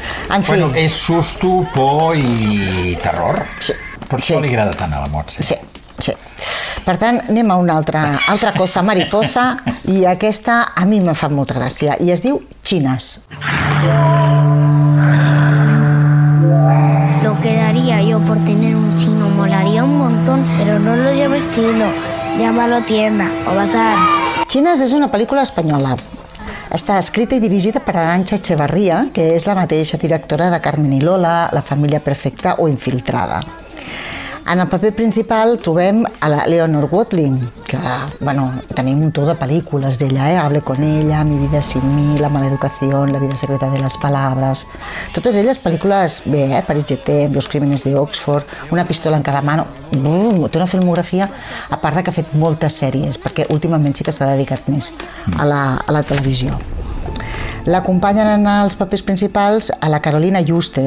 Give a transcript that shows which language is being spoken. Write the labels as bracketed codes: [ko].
[ca] En fi... Bueno, és susto, por i terror. Sí. Per això li agrada tant a la Montse. Sí. Per tant, anem a una altra cosa mariposa i aquesta a mi me fa molta gràcia i es diu Chinas. [es] Lo quedaría yo por tener un chino, molaría un montón, pero no lo llames chino, llámalo tienda o bazar. [ca] Chinas és una pel·lícula espanyola. Està escrita i dirigida per Arantxa Echevarría, que és la mateixa directora de Carmen i Lola, La família perfecta o Infiltrada. En el paper principal trobem a la Leonor Watling, que, bueno, tenim un to de pel·lícules d'ella, eh? Hable con ella, Mi vida sin mí, La mala educación, La vida secreta de las palabras... Totes elles pel·lícules, bé, eh? Paris GT, Los crímenes de Oxford, Una pistola en cada mano... Té una filmografia, a part de que ha fet moltes sèries, perquè últimament sí que s'ha dedicat més a la televisió. L'acompanyen en els papers principals a la Carolina Juste.